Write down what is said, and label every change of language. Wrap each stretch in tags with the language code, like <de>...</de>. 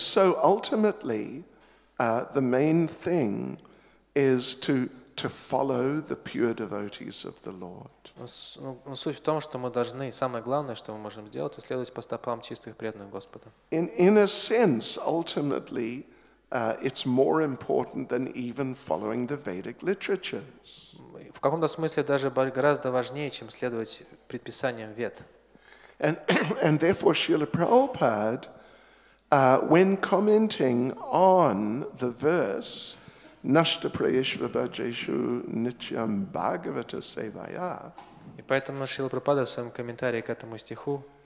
<en>So ultimately, the main thing is to follow the pure devotees of the Lord.</en> <ru>Суть в том, что мы должны, самое главное, что мы можем сделать, это следовать по стопам чистых преданных Господа.</ru> <en>In a sense, ultimately, it's more important than even following the Vedic literatures.</en> <ru>В каком-то смысле даже гораздо важнее, чем следовать предписаниям Вед.</ru> <en>And therefore, Srila Prabhupada, when commenting on the verse</en> <sa>"Nashta prayeshva bhajeshu nityam bhagavata sevaya",</sa> <ru>и поэтому Шрила Прабхупада в своем комментарии к этому стиху,</ru>